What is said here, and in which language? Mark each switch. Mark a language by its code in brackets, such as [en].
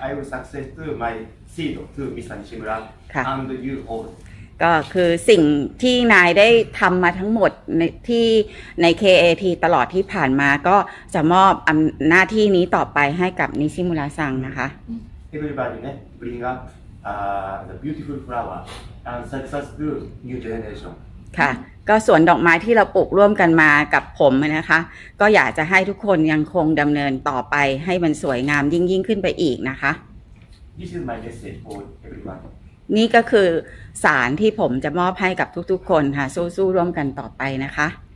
[en] I will success to mySeed to Mr. Nishimura and you all. [th] ก็คือสิ่งที่นายได้ทำมาทั้งหมดใน KAT ตลอดที่ผ่านมาก็จะมอบอำหน้าที่นี้ต่อไปให้กับนิชิมุระซังนะคะ [en] Everybody ね bring up the beautiful flower and success to new generation. [th] ค่ะก็ส่วนดอกไม้ที่เราปลูกร่วมกันมากับผมนะคะก็อยากจะให้ทุกคนยังคงดำเนินต่อไปให้มันสวยงามยิ่งขึ้นไปอีกนะคะ [en] This is my message for everyone. [th] นี่ก็คือสารที่ผมจะมอบให้กับทุกๆคนค่ะสู้ๆร่วมกันต่อไปนะคะ